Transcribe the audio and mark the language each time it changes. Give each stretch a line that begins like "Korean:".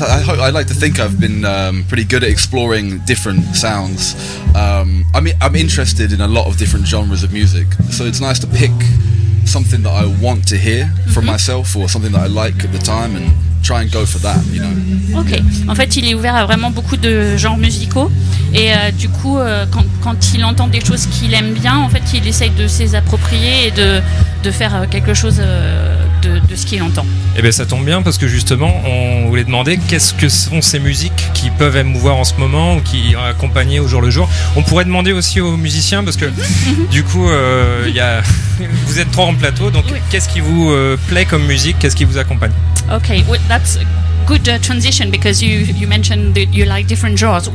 English: I like to think I've been pretty good at exploring different sounds. I'm interested in a lot of different genres of music, so it's nice to pick something that I want to hear mm-hmm. from myself or something that I like at the time and try and go for that, you know. Okay. Yeah.
French: En fait, il est ouvert à vraiment beaucoup de genres musicaux et du coup, quand il entend des choses qu'il aime bien, en fait, il essaye de s'y approprier et de faire quelque chose. De ce qu'il entend. Eh bien, ça tombe bien parce que justement, on voulait demander qu'est-ce que sont ces musiques qui peuvent émouvoir en ce moment ou qui accompagnent au jour le jour. On pourrait demander aussi aux musiciens parce que du coup, y a... vous êtes trois en plateau, donc oui. Qu'est-ce qui vous plaît comme musique, qu'est-ce qui vous accompagne?
English: Ok, well, that's a good transition because you mentioned that you like different genres.